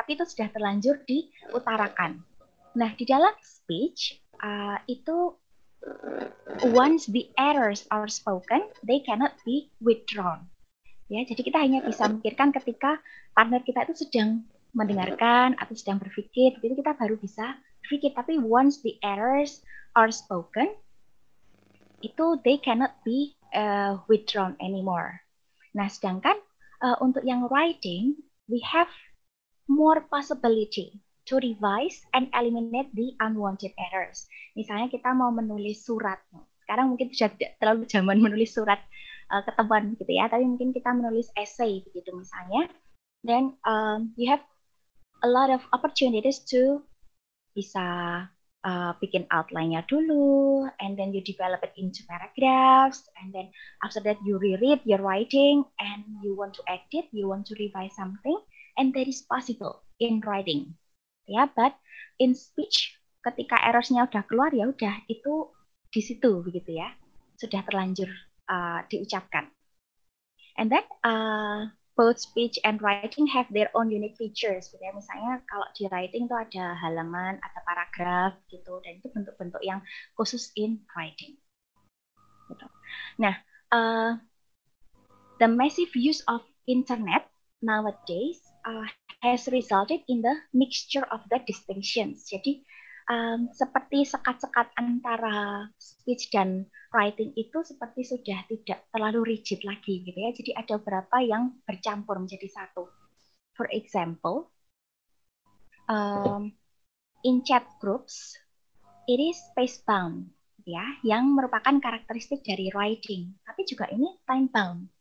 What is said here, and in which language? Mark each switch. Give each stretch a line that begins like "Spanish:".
Indonesian: Tapi itu sudah terlanjur diutarakan. Nah, di dalam speech itu
English: once the errors are spoken, they cannot be withdrawn.
Indonesian: Ya, jadi kita hanya bisa memikirkan ketika partner kita itu sedang mendengarkan atau sedang berpikir, jadi kita baru bisa berpikir. Tapi
English: once the errors are spoken,
Indonesian: itu
English: they cannot be withdrawn anymore.
Indonesian: Nah, sedangkan untuk yang
English: writing, we have more possibility to revise and eliminate the unwanted errors.
Indonesian: Misalnya kita mau menulis surat. Sekarang mungkin sudah tidak terlalu zaman menulis surat ke teman gitu ya, tapi mungkin kita menulis essay gitu misalnya.
English: Then you have a lot of opportunities to
Indonesian: bisa bikin outline-nya dulu,
English: and then you develop it into paragraphs, and then after that you reread your writing, and you want to edit, you want to revise something, and that is possible in writing.
Indonesian: Ya,
English: but in speech,
Indonesian: ketika errors-nya udah keluar, ya udah itu di situ begitu ya, sudah terlanjur diucapkan.
English: And then both speech and writing have their own unique features.
Indonesian: Gitu ya. Misalnya kalau di writing itu ada halaman, ada paragraf gitu, dan itu bentuk-bentuk yang khusus
English: in writing.
Indonesian: Gitu.
English: Nah, the massive use of internet nowadays has resulted in the mixture of the distinctions.
Indonesian: Jadi seperti sekat-sekat antara speech dan writing itu seperti sudah tidak terlalu rigid lagi gitu ya. Jadi ada beberapa yang bercampur menjadi satu.
English: For example, in chat groups it is space bound
Indonesian: ya, yang merupakan karakteristik dari writing, tapi juga ini
English: time bound.